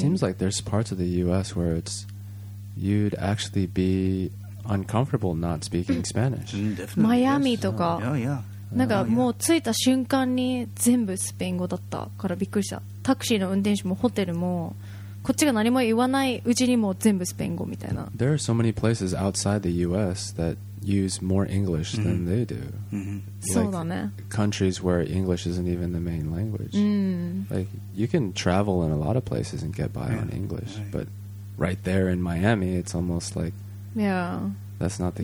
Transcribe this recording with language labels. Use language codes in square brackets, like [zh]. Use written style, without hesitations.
[en] It seems like there's parts of the U.S. where it's you'd actually be uncomfortable not speaking Spanish. Definitely. [ja] マイアミとか。 [en] Yeah, yeah. [ja] なんかもう着いた瞬間に全部スペイン語だったからびっくりした。タクシーの運転手もホテルもこっちが何も言わないうちにもう全部スペイン語みたいな。 [en] There are so many places outside the U.S. that use more English than they do. [ja] そうだね。 [en] Countries where English isn't even the main language. Like you can travel in a lot of places and get by on English, but right there in Miami, it's almost like that's not the